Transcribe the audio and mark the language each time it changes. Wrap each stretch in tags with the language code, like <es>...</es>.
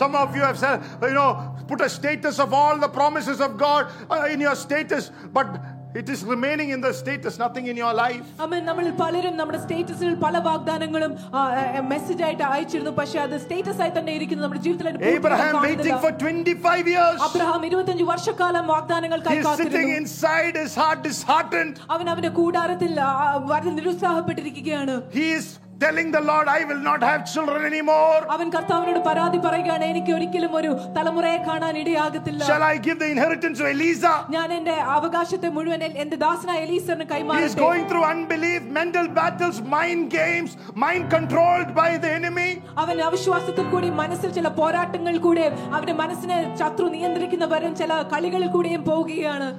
<en>Some of you have said, you know, put a status of all the promises of God in your status, but it is remaining in the status, nothing in your life. Amen.</en> <ml>നമ്മൾ പലരും നമ്മുടെ സ്റ്റേറ്റസിൽ പല വാഗ്ദാനങ്ങളും message ആയിട്ട് അയച്ചിരുന്നു, പക്ഷേ അത് status ആയി തന്നെ ഇരിക്കുന്നു നമ്മുടെ ജീവിതത്തിൽ.</ml> <en>Abraham waiting for 25 years.</en> <ml>Abraham 25 വർഷക്കാലം വാഗ്ദാനങ്ങൾക്കായി കാത്തിരുന്നു.</ml> <en>He's sitting inside, his heart disheartened.</en> <ml>അവൻ അവന്റെ കൂടാരത്തിൽ വളരെ നിരുത്സാഹപ്പെട്ടിരിക്കുകയാണ്.</ml> <en>He is telling the Lord, I will not have children anymore.</en> <ml>അവൻ കർത്താവിനോട് പരാതി പറയുകയാണ്, എനിക്ക് ഒരിക്കലും ഒരു തലമുറയെ കാണാൻ ഇടയാകത്തില്ല.</ml> <en>Shall I give the inheritance to Eliza?</en> <ml>ഞാൻ എൻ്റെ അവകാശത്തെ മുഴുവൻ എൻ്റെ ദാസനായ എലീസറിന് കൈമാറട്ടെ.</ml> <en>He is going through unbelief, mental battles, mind games, mind controlled by the enemy.</en> <ml>അവൻ അവിശ്വാസത്തിൽ കൂടി മനസ്സിൽ ചില പോരാട്ടങ്ങൾ കൂടി അവൻ്റെ മനസ്സിനെ ശത്രു നിയന്ത്രിക്കുന്ന വരും ചില കളികളിൽ കൂടിയും പോവുകയാണ്.</ml>